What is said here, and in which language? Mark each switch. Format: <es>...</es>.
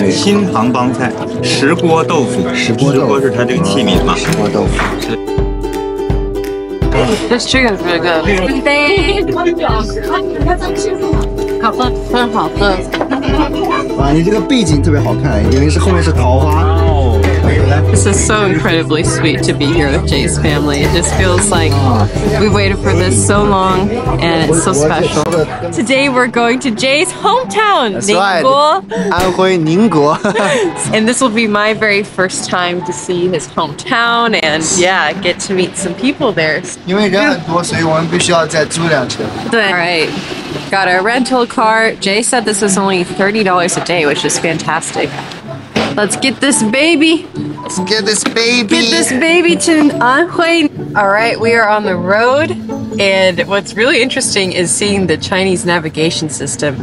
<zh>新杭帮菜，石锅豆腐。石锅豆腐是它这个器皿嘛？石锅豆腐是。</zh> <en>This chicken is really good.</en> <zh>干杯！好喝，真好喝。哇，你这个背景特别好看，因为是后面是桃花。</zh> <en>This is so incredibly sweet to be here with Jay's family. It just feels like we've waited for this so long, and it's so special. Today we're going to Jay's hometown, Ningbo.</en> <zh>安徽宁国</zh> <en>And this will be my very first time to see his hometown, and yeah, get to meet some people there.</en> <zh>因为人很多，所以我们必须要再租辆车。</zh> <en>对 All right. Got our rental car. Jay said this is only $30 a day, which is fantastic. Let's get this baby. Let's get this baby. Get this baby to Anhui. All right, we are on the road. And what's really interesting is seeing the Chinese navigation system.</en>